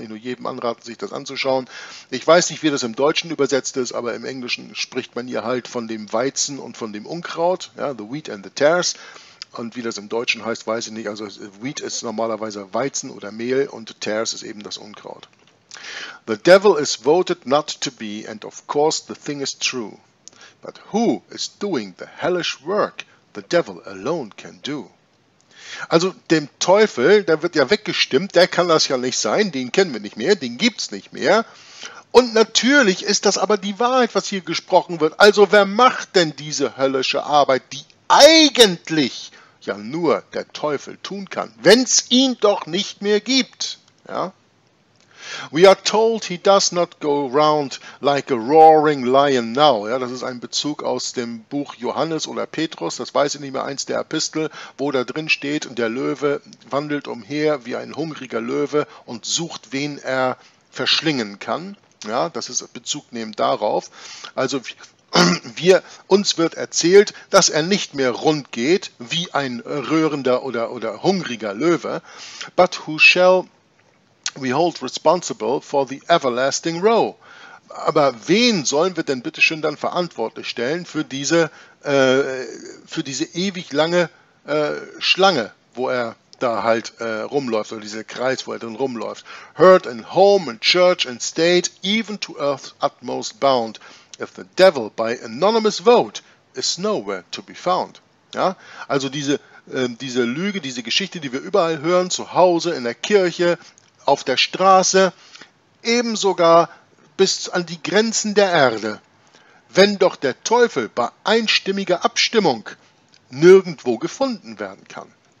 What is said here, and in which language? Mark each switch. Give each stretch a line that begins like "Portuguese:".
German: Kann ich nur jedem anraten, sich das anzuschauen. Ich weiß nicht, wie das im Deutschen übersetzt ist, aber im Englischen spricht man hier halt von dem Weizen und von dem Unkraut, ja,
English: The Wheat and the Tares.
German: Und wie das im Deutschen heißt, weiß ich nicht. Also Wheat ist normalerweise Weizen oder Mehl und Tares ist eben das Unkraut.
English: The devil is voted not to be, and of course the thing is true. But who is doing the hellish work the devil alone can do?
German: Also dem Teufel, der wird ja weggestimmt, der kann das ja nicht sein, den kennen wir nicht mehr, den gibt's nicht mehr. Und natürlich ist das aber die Wahrheit, was hier gesprochen wird. Also wer macht denn diese höllische Arbeit, die eigentlich ja nur der Teufel tun kann, wenn's ihn doch nicht mehr gibt? Ja?
English: We are told he does not go round like a roaring lion now.
German: Ja, das ist ein Bezug aus dem Buch Johannes oder Petrus, das weiß ich nicht mehr, eins der Epistel, wo da drin steht, der Löwe wandelt umher wie ein hungriger Löwe und sucht, wen er verschlingen kann. Ja, das ist Bezug nehmen darauf. Also uns wird erzählt, dass er nicht mehr rund geht wie ein röhrender oder hungriger Löwe.
English: But who shall we hold responsible for the everlasting row.
German: Aber wen sollen wir denn bitte schön dann verantwortlich stellen für diese ewig lange Schlange, wo er da halt rumläuft, oder dieser Kreis, wo er dann rumläuft.
English: Heard in home and church and state, even to earth's utmost bound, if the devil by anonymous vote is nowhere to be found.
German: Ja? Also diese Lüge, diese Geschichte, die wir überall hören, zu Hause, in der Kirche, auf der Straße, eben sogar bis an die Grenzen der Erde. Wenn doch der Teufel bei einstimmiger Abstimmung nirgendwo gefunden werden kann.